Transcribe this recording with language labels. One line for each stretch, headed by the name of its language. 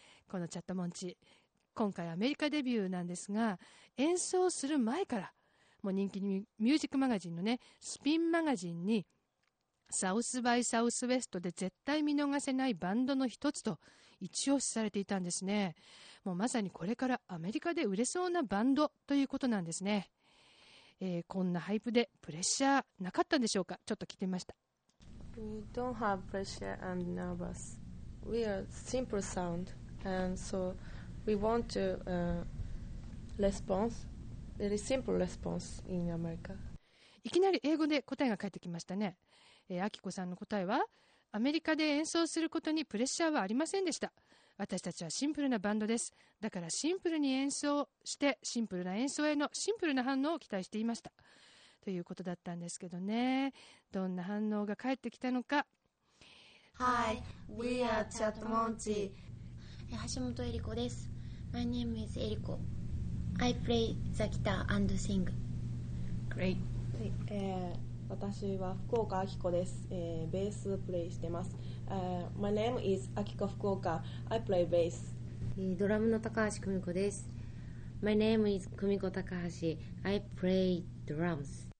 Japanese: このチャットモンチー、今回アメリカデビューなんですが、演奏する前からもう人気ミュージックマガジンのね、スピンマガジンにサウスバイサウスウェストで絶対見逃せないバンドの一つと一押しされていたんですね。もうまさにこれからアメリカで売れそうなバンドということなんですね、こんなハイプでプレッシャーなかったんでしょうか。ちょっと聞いてみました。
English: We don't have pressure and nervous. We are simple sound, and so we want to response. Very simple response in America.
Japanese: いきなり英語で答えが返ってきましたね。あきこさんの答えは、アメリカで演奏することにプレッシャーはありませんでした。私たちはシンプルなバンドです。だからシンプルに演奏して、シンプルな演奏へのシンプルな反応を期待していました。ということだったんですけどね。どんな反応が返ってきたのか。
English: Hi, we are Chat Monty.
Japanese: 橋本恵理子です。
English: My name is 恵理子。 I play the guitar and sing. Great.
Japanese: 私は福岡明子です、ベースプレイしてます、
English: My name is 明子福岡 I play bass
Japanese: ドラムの高橋久美子です
English: My name is 久美子高橋 I play drums